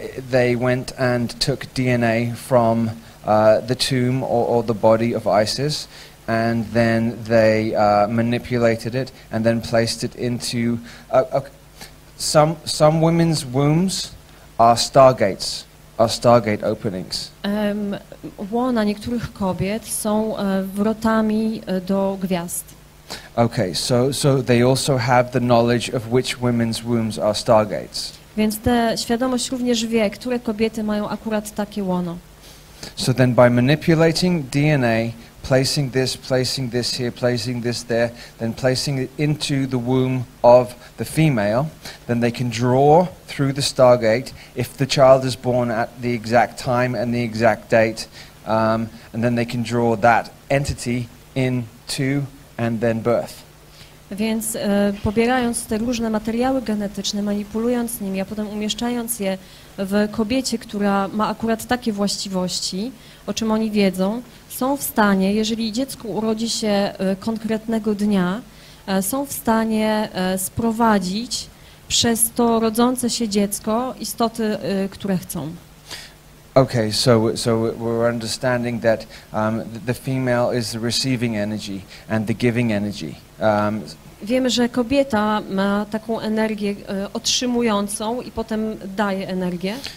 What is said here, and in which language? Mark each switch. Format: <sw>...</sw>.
<en>They went and took DNA from the tomb or the body of ISIS, and then they manipulated it and then placed it into some women's wombs are stargates. Are stargate openings.</en> <pl>Łona niektórych kobiet są wrotami do gwiazd.</pl> <en>Okay, so they also have the knowledge of which women's wombs are stargates.</en> <pl>Więc ta świadomość również wie, które kobiety mają akurat takie łono.</pl> <en>So then by manipulating DNA, placing this here, placing this there, then placing it into the womb of the female, then they can draw through the stargate if the child is born at the exact time and the exact date, and then they can draw that entity into and then birth.</en> <pl>Więc pobierając te różne materiały genetyczne, manipulując nimi, a potem umieszczając je w kobiecie, która ma akurat takie właściwości, o czym oni wiedzą, są w stanie, jeżeli dziecko urodzi się konkretnego dnia, są w stanie sprowadzić przez to rodzące się dziecko istoty, które chcą.</pl> <en>Okay, so we're understanding that the female is the receiving energy and the giving energy.</en> <pl>wiemy, że kobieta ma taką energię otrzymującą i potem daje energię.</pl>